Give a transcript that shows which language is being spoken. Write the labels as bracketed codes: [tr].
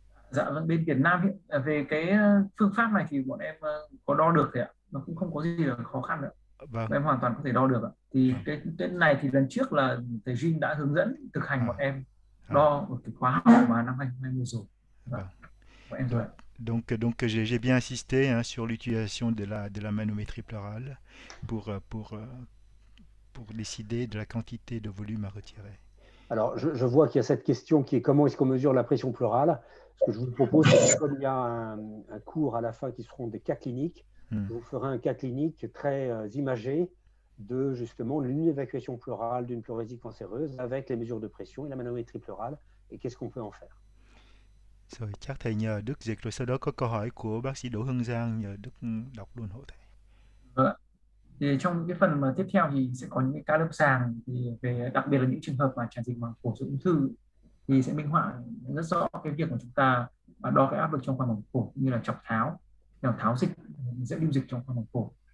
[vi] Dạ vâng, bên Việt Nam ấy, về cái phương pháp này thì bọn em có đo được thầy ạ, nó cũng không có gì là khó khăn nữa, Vâng. bọn em hoàn toàn có thể đo được ạ. Thì cái này thì lần trước là thầy Jin đã hướng dẫn thực hành bọn em đo một cái khóa học mà năm 2020 rồi. Vâng, bọn em rồi ạ. [fr] Donc j'ai bien insisté hein, sur l'utilisation de la manométrie pleurale pour décider de la quantité de volume à retirer. Alors, je vois qu'il y a cette question qui est comment est-ce qu'on mesure la pression pleurale. Ce que je vous propose, c'est que comme il y a un cours à la fin qui seront des cas cliniques, je vous ferai un cas clinique très imagé de justement une évacuation pleurale d'une pleurésie cancéreuse avec les mesures de pression et la manométrie pleurale et qu'est-ce qu'on peut en faire. [vi] Rồi, chắc thầy nhờ Đức dịch rồi sau đó có câu hỏi của bác sĩ Đỗ Hưng Giang nhờ Đức đọc luôn hộ thầy. Thì trong cái phần mà tiếp theo thì sẽ có những cái ca lâm sàng thì về đặc biệt là những trường hợp mà tràn dịch màng phổi do ung thư thì sẽ minh họa rất rõ cái việc mà chúng ta đo cái áp lực trong khoang màng phổi như là chọc tháo dịch dẫn lưu dịch trong khoang màng phổi.